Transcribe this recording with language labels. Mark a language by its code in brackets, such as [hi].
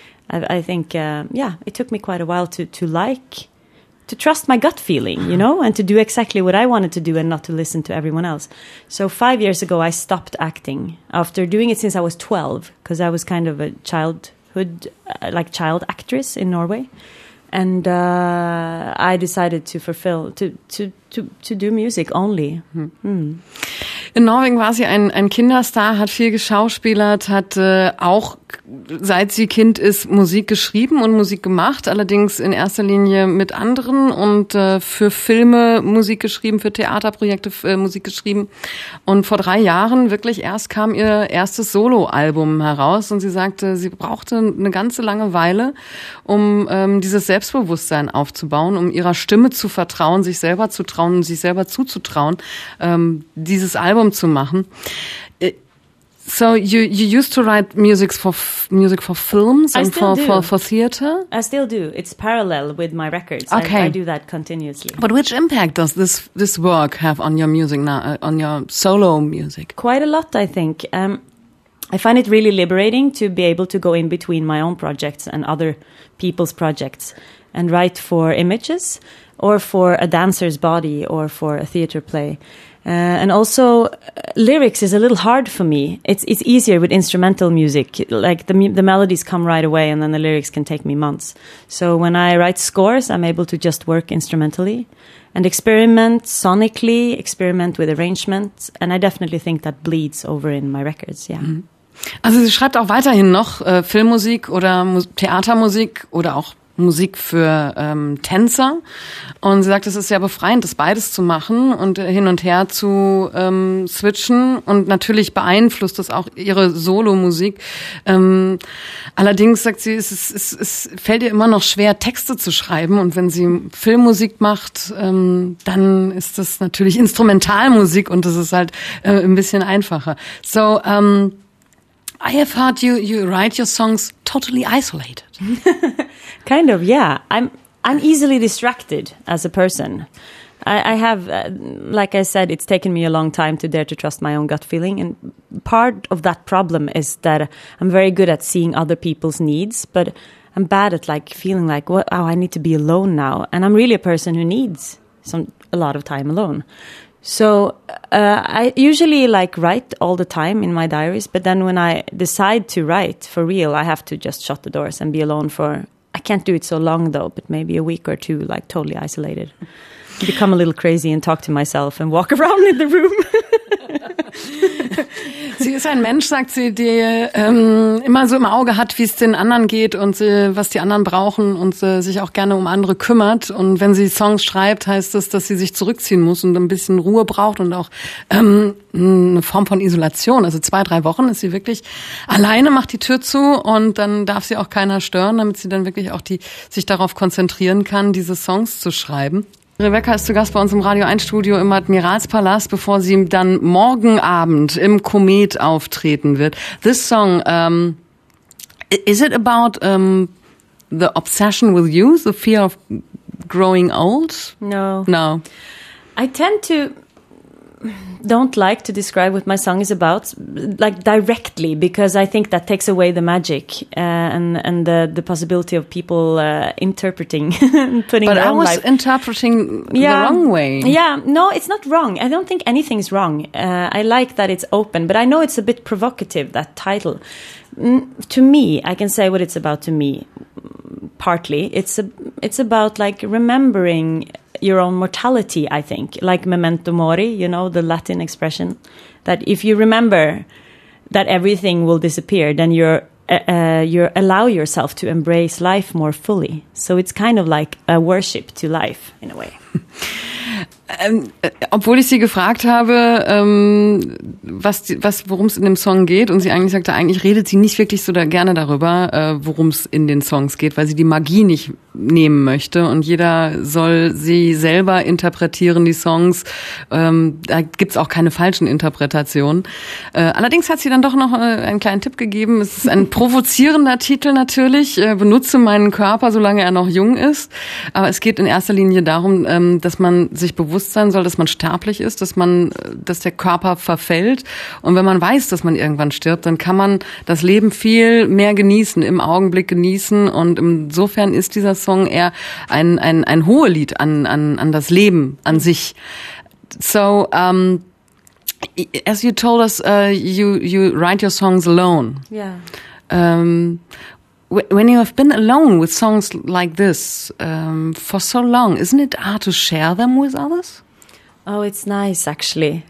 [en] I think it took me quite a while to trust my gut feeling, you know, and to do exactly what I wanted to do and not to listen to everyone else. So 5 years ago, I stopped acting after doing it since I was 12, because I was kind of a child actress in Norway. And I decided to fulfill, to do music only. [de] In Norwegen war sie ein Kinderstar, hat viel geschauspielert, hat auch seit sie Kind ist Musik geschrieben und Musik gemacht, allerdings in erster Linie mit anderen und für Filme Musik geschrieben, für Theaterprojekte Musik geschrieben. Und vor 3 Jahren wirklich erst kam ihr erstes Soloalbum heraus und sie sagte, sie brauchte eine ganze lange Weile, um dieses Selbstbewusstsein aufzubauen, um ihrer Stimme zu vertrauen, sich selber zu trauen und sich selber zuzutrauen, dieses Album zu machen. [en] So you used to write music for films and for theater? I still do. It's parallel with my records. Okay. I do that continuously. But which impact does this work have on your music now, on your solo music? Quite a lot, I think. I find it really liberating to be able to go in between my own projects and other people's projects and write for images or for a dancer's body or for a theater play. And also, lyrics is a little hard for me. It's easier with instrumental music. Like the melodies come right away, and then the lyrics can take me months. So when I write scores, I'm able to just work instrumentally and experiment sonically, experiment with arrangements. And I definitely think that bleeds over in my records. Yeah. [de] Also, sie schreibt auch weiterhin noch Filmmusik oder Theatermusik oder auch Musik für Tänzer. Und sie sagt, es ist sehr befreiend, das beides zu machen und hin und her zu switchen. Und natürlich beeinflusst das auch ihre Solo-Musik. Allerdings sagt sie, es fällt ihr immer noch schwer, Texte zu schreiben. Und wenn sie Filmmusik macht, dann ist das natürlich Instrumentalmusik und das ist halt ein bisschen einfacher. [en] So, I have heard you write your songs totally isolated. Kind of, yeah. I'm easily distracted as a person. I have, like I said, it's taken me a long time to dare to trust my own gut feeling. And part of that problem is that I'm very good at seeing other people's needs, but I'm bad at like feeling like, I need to be alone now. And I'm really a person who needs a lot of time alone. So I usually like write all the time in my diaries, but then when I decide to write for real, I have to just shut the doors and be alone for, I can't do it so long though, but maybe a week or two, like totally isolated. Become a little crazy and talk to myself and walk around in the room. [de] Sie ist ja ein Mensch, sagt sie, der immer so im Auge hat, wie es den anderen geht und was die anderen brauchen und sich auch gerne um andere kümmert. Und wenn sie Songs schreibt, heißt das, dass sie sich zurückziehen muss und ein bisschen Ruhe braucht und auch eine Form von Isolation. Also 2-3 Wochen ist sie wirklich alleine, macht die Tür zu und dann darf sie auch keiner stören, damit sie dann wirklich auch sich darauf konzentrieren kann, diese Songs zu schreiben. Rebecca ist zu Gast bei uns im Radio 1 Studio im Admiralspalast, bevor sie dann morgen Abend im Komet auftreten wird. [en] This song, is it about the obsession with youth, the fear of growing old? No. No. I tend to don't like to describe what my song is about, like directly, because I think that takes away the magic and the possibility of people interpreting, putting but their I own was life. Interpreting yeah. the wrong way. Yeah, no, it's not wrong. I don't think anything's wrong. I like that it's open, but I know it's a bit provocative, that title. To me, I can say what it's about to me, partly. It's about like remembering your own mortality, I think, like memento mori, you know, the Latin expression, that if you remember that everything will disappear, then you allow yourself to embrace life more fully. So it's kind of like a worship to life, in a way. [de] Obwohl ich sie gefragt habe, worum es in dem Song geht, und sie eigentlich sagte, eigentlich redet sie nicht wirklich so gerne darüber, worum es in den Songs geht, weil sie die Magie nicht nehmen möchte und jeder soll sie selber interpretieren, die Songs. Da gibt's auch keine falschen Interpretationen. Allerdings hat sie dann doch noch einen kleinen Tipp gegeben. Es ist ein provozierender Titel natürlich. Benutze meinen Körper, solange er noch jung ist. Aber es geht in erster Linie darum, dass man sich bewusst sein soll, dass man sterblich ist, dass der Körper verfällt. Und wenn man weiß, dass man irgendwann stirbt, dann kann man das Leben viel mehr genießen, im Augenblick genießen. Und insofern ist dieser Song eher ein Hohelied an das Leben an sich. [en] So, as you told us, you write your songs alone. Yeah. When you have been alone with songs like this for so long, isn't it hard to share them with others? Oh, it's nice, actually.